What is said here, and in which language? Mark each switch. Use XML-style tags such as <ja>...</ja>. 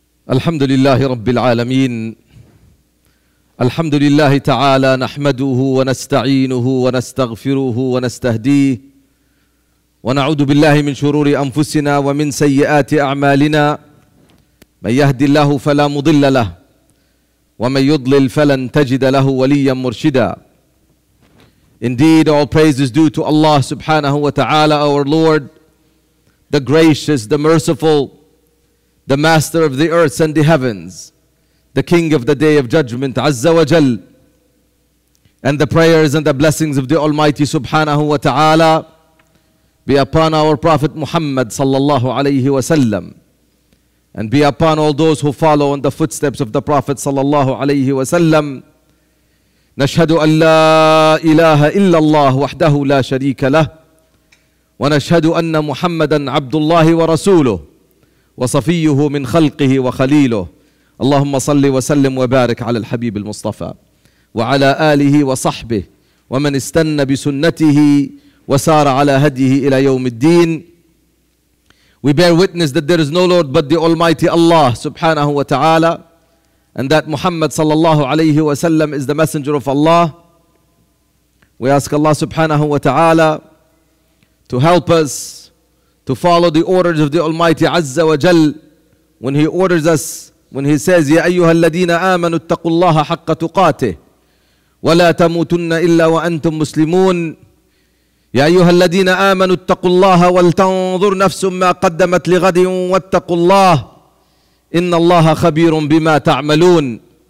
<ar>الحمد لله رب العالمين الحمد لله تعالى نحمده ونستعينه ونستغفره ونستهديه ونعوذ بالله من شرور أنفسنا ومن سيئات أعمالنا من يهدي الله فلا مضل له ومن يضلل فلن تجد له وليا مرشدا.</ar> <en>Indeed, all praise is due to Allah subhanahu wa ta'ala, our Lord, the gracious, the merciful, the master of the earth and the heavens, the king of the day of judgment, Azza wa Jal. And the prayers and the blessings of the Almighty subhanahu wa ta'ala be upon our Prophet Muhammad sallallahu alayhi wa sallam, and be upon all those who follow in the footsteps of the Prophet sallallahu alayhi wa sallam.</en> <ar>نشهد أن لا إله إلا الله وحده لا شريك له ونشهد أن محمدا عبد الله ورسوله وصفيه من خلقه وخليله اللهم صل وسلم وبارك على الحبيب المصطفى وعلى آله وصحبه ومن استنى بسنته وسار على هديه إلى يوم الدين.</ar> <en>We bear witness that there is no Lord but the Almighty Allah subhanahu wa ta'ala, and that Muhammad sallallahu alayhi wa sallam is the messenger of Allah. We ask Allah subhanahu wa ta'ala to help us to follow the orders of the Almighty Azza wa Jal when He orders us, when He says,</en> <ar>يَا أَيُّهَا الَّذِينَ آمَنُوا اتَّقُوا اللَّهَ حَقَّ تُقَاتِهِ وَلَا تَمُوتُنَّ إِلَّا وَأَنْتُمْ مُسْلِمُونَ يَا أَيُّهَا الَّذِينَ آمَنُوا اتَّقُوا اللَّهَ وَلْتَنْظُرْ نَفْسٌ مَّا قَدَّمَتْ لِغَدٍ وَاتَّقُوا اللَّهَ إن الله خبير بما تعملون.</ar>